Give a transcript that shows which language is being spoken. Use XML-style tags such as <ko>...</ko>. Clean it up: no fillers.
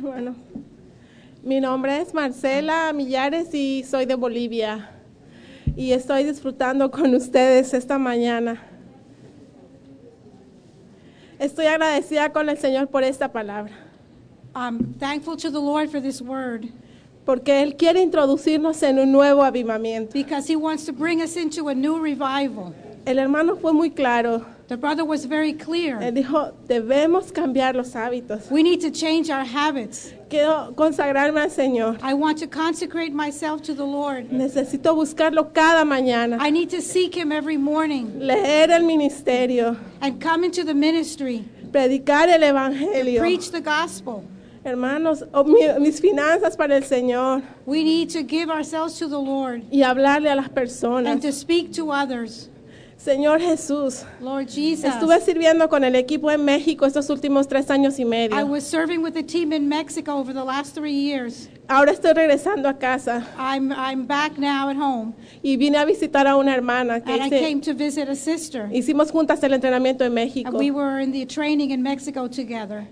<es>Bueno, mi nombre es Marcela Millares y soy de Bolivia. Y estoy disfrutando con ustedes esta mañana. Estoy agradecida con el Señor por esta palabra.</es> <en>I'm thankful to the Lord for this word.</en> <es>Porque él quiere introducirnos en un nuevo avivamiento.</es> <en>Because he wants to bring us into a new revival.</en> <es>El hermano fue muy claro.</es> <en>The brother was very clear.</en> <es>Él dijo, debemos cambiar los hábitos.</es> <en>We need to change our habits.</en> <es>Quiero consagrarme al Señor.</es> <en>I want to consecrate myself to the Lord.</en> <es>Necesito buscarlo cada mañana.</es> <en>I need to seek him every morning.</en> <es>Leer el ministerio.</es> <en>And come into the ministry.</en> <es>Predicar el evangelio.</es> <en>To preach the gospel.</en> <es>Hermanos, mis finanzas para el Señor.</es> <en>We need to give ourselves to the Lord.</en> <es>Y hablarle a las personas.</es> <en>And to speak to others.</en> <es>Señor Jesús.</es> <en>Lord Jesus.</en> <es>Estuve sirviendo con el equipo en México estos últimos 3 años y medio.</es> <en>I was serving with the team in Mexico over the last 3 years.</en> <es>Ahora estoy regresando a casa.</es> <en>I'm back now at home.</en> <es>Y vine a visitar a una hermana.</es> <en>And I came to visit a sister.</en> <es>Hicimos juntas el entrenamiento en México.</es> <en>And we were in the training in Mexico together.</en>